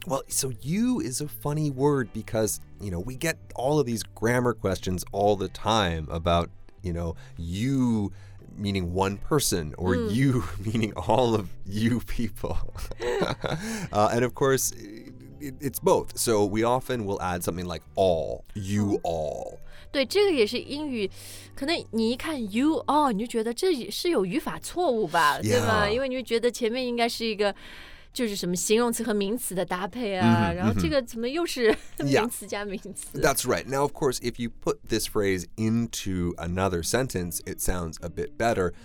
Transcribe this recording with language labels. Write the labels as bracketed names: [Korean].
[English] Well, so you is a funny word because you know we get all of these grammar questions all the time about you know you. Meaning one person, or you, meaning all of you people. and of course, it's both. So we often will add something like all, you all. [Chinese] 对，这个也是英语，可能你一看 you all, 你就觉得这是有语法错误吧，对吗？因为你觉得前面应该是一个就是什么形容词和名词的搭配啊，然后这个怎么又是名词加名词？ [English] Yeah, that's right. Now, of course, if you put this phrase into another sentence, it sounds a bit better.